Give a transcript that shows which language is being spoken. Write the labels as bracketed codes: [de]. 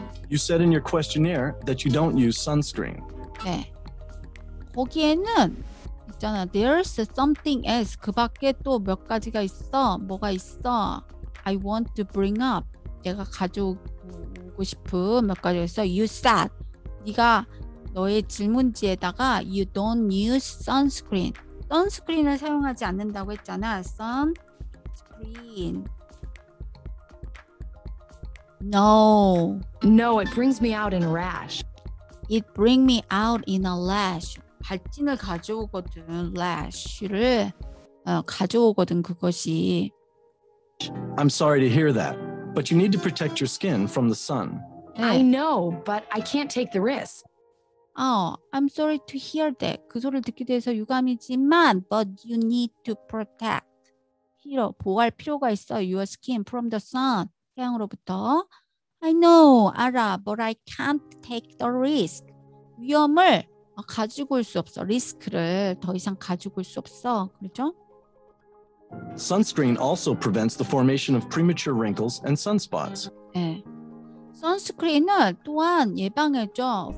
[en] You said in your questionnaire that you don't use sunscreen. [ko] 네. 거기에는 있잖아. [en] There's something else. [ko] 그 밖에 또 몇 가지가 있어. 뭐가 있어. [en] I want to bring up. [ko] 내가 가져오고 싶은 몇 가지가 있어. [en] You said. [ko] 네가 너의 질문지에다가 [en] You don't use sunscreen. [ko] Sunscreen을 사용하지 않는다고 했잖아. Sunscreen. [en] No. No, it brings me out in a rash. It brings me out in a rash. [ko] 발진을 가져오거든, rash를 가져오거든, 그것이. [en] I'm sorry to hear that, but you need to protect your skin from the sun. I know, but I can't take the risk. I'm sorry to hear that. [ko] 그 소리를 듣게 돼서 유감이지만, [en] but you need to protect. [ko] 필요, 보호할 필요가 있어, [en] your skin from the sun. [ko] 태양으로부터. [en] I know, [ko] 알아, [en] but I can't take the risk. [ko] 위험을 가지고 올 수 없어. 리스크를 더 이상 가지고 올 수 없어. 그렇죠? [en] Sunscreen also prevents the formation of premature wrinkles and sunspots. [ko] 네. 선스크린은 또한 예방해줘.